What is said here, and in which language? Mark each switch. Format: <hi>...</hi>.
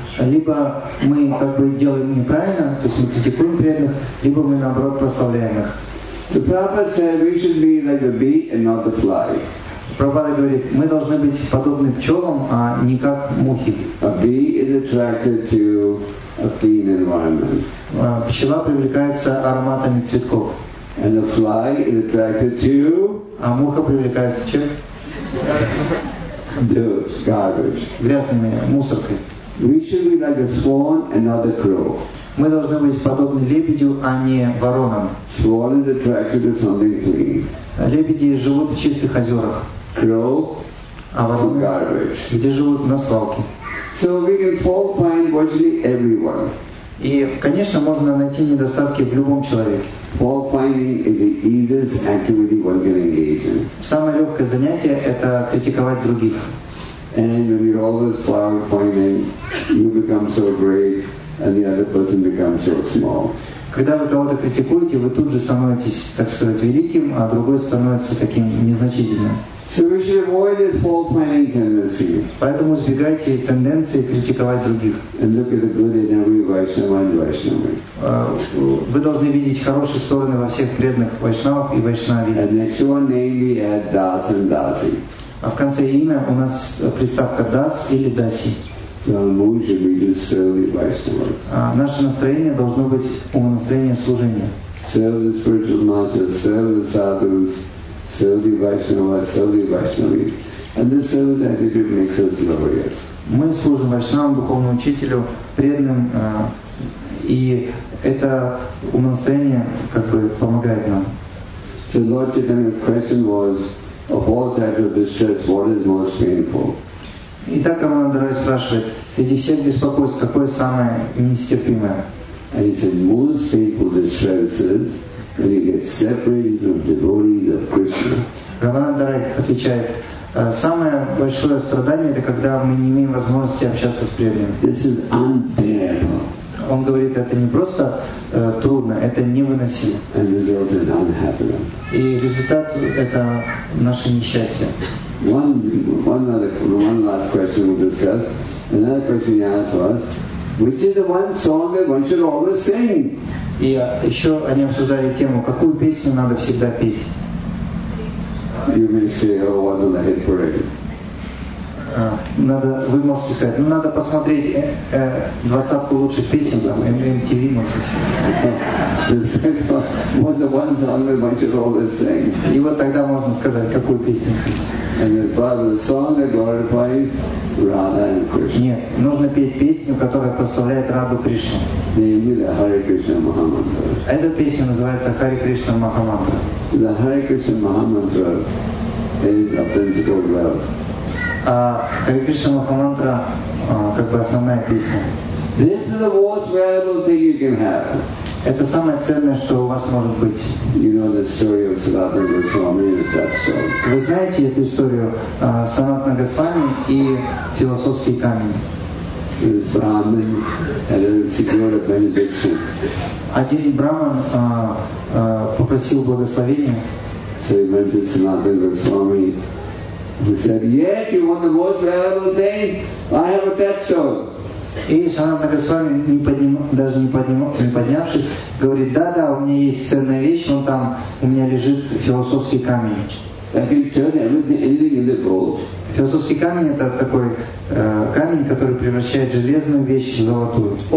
<ru>Либо мы как бы делаем неправильно, то есть мы критикуем преданных, либо мы наоборот прославляем их.</ru> <en>So Prabhupada said we should be like the bee and not the fly.</en> <ru>Прабхупада говорит, мы должны быть подобны пчелам, а не как мухи.</ru> <en>A bee is attracted to a clean environment.</en> <ru>Пчела привлекается ароматами цветков.</ru> <en>And a fly is attracted to...</en> <ru>А муха привлекается чем?</ru> <en>The garbage.</en> <ru>Грязными мусоркой.</ru> <en>We should be like a swan and not a crow.</en> <ru>Мы должны быть подобны лебедю, а не воронам.</ru> <en>Swan is attracted to something clean.</en> <ru>Лебеди живут в чистых озерах.</ru> <en>Crow,</en> <ru>а вороны,</ru> <en>garbage.</en> <ru>Где живут на свалке.</ru> <en>So we can fall find virtually everyone.</en> <ru>И, конечно, можно найти недостатки в любом человеке.</ru> <en>Fall finding is the easiest activity one can engage in.</en> <ru>Самое легкое занятие – это критиковать других.</ru> <en>And when you're always fall finding, you become so great, and the other person becomes so small.</en> <ru>Когда вы кого-то критикуете, вы тут же становитесь, так сказать, великим, а другой становится таким незначительным.</ru> <en>So we should avoid this fault-finding tendency.</en> <ru>Поэтому избегайте тенденции критиковать других.</ru> <en>And look at the good in every Vaishnava and Vaishnava.</en> <ru>Вы должны видеть хорошие стороны во всех преданных Вайшнавах и Вайшнаве.</ru> <en>And next one, namely, at Das and Dasi.</en> <ru>А в конце имя у нас приставка Das или Dasi.</ru> <en>So our mood should be to serve the Vaishnava.</en> <ru>Наше настроение должно быть умонастроение служения.</ru> <en>Serve the spiritual masters, serve the sadhus. Serve Vaishnava, serve Vaishnavi. And this service attitude makes us glorious.</en> <ru>Мы служим Вайшнавам, духовному учителю, преданным, и это умонастроение как бы помогает нам.</ru> <en>So Lord Chaitanya's question was, of all types of distress, what is most painful?</en> <ru>И так Рамананда-рай спрашивает, среди всех беспокойств, какое самое нестерпимое?</ru> <en>And he said, most painful distress is when you get separated from devotees of Krishna.</en> <ru>Рамананда-рай отвечает, самое большое страдание — это когда мы не имеем возможности общаться с преданными.</ru> <en>This is unbearable.</en> <ru>Он говорит, это не просто трудно, это невыносимо.</ru> <en>And the result is unhappiness.</en> <ru>И результат — это наше несчастье.</ru> <en>One last question we discussed. Another question he asked was, which is the one song that one should always sing?</en> <ru>И еще они обсуждали тему, какую песню надо всегда петь.</ru> <en>You may say, oh, what a hit parade.</en> <ru>Надо, вы можете сказать, ну надо посмотреть двадцатку лучших песен, там, MTV, может быть. И вот тогда можно сказать, какую песню.</ru> <en>And the song that glorifies Radha and Krishna.</en> <ru>Нет, нужно петь песню, которая прославляет Раду Кришну.</ru> <en>Namely the Hare Krishna Mahamantra.</en> <ru>Эта песня называется Hare Krishna Mahamantra.</ru> <en>The Hare Krishna Mahamantra is a principle of wealth.</en> <ru>А Hare Krishna Mahamantra как бы основная песня.</ru> <en>This is the most valuable thing you can have.</en> <ru>Это самое ценное, что у вас может быть.</ru> <en>You know the story of Sanatana Goswami, that's so.</en> <ru>Вы знаете эту историю Санатана Госвами и философский камень.</ru> <en>This Brahmin had secured a benediction.</en> <ru>Один Брахман попросил благословения.</ru> <en>So he went to Sanatana Goswami. He said, yes, you want the most valuable thing? I have a touchstone.</en> <ru>И Санатана Госвами, не поднявшись, говорит, да-да, у меня есть ценная вещь, но там у меня лежит философский камень. Философский камень — это такой камень, который превращает железную вещь в золотую.</ru>